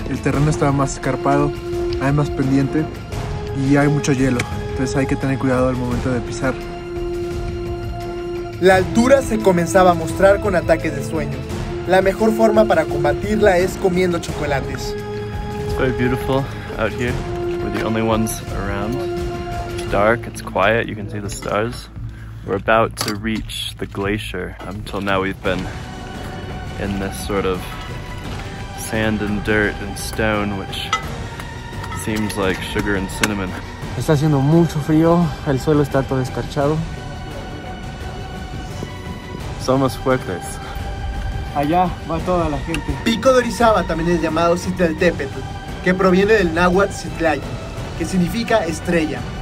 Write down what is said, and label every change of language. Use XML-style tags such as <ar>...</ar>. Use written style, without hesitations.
<es>El terreno está más escarpado, hay más pendiente y hay mucho hielo. Entonces hay que tener cuidado al momento de pisar. La altura se comenzaba a mostrar con ataques de sueño. La mejor forma para combatirla es comiendo chocolates.</es> <en>It's very beautiful out here. We're the only ones around. Dark, it's quiet, you can see the stars. We're about to reach the glacier. Until now we've been in this sort of sand and dirt and stone, which seems like sugar and cinnamon.</en> <es>Está haciendo mucho frío, el suelo está todo escarchado. Somos fuertes. Allá va toda la gente. Pico de Orizaba también es llamado Citlaltépetl, que proviene del náhuatl citlayi, que significa estrella.</es>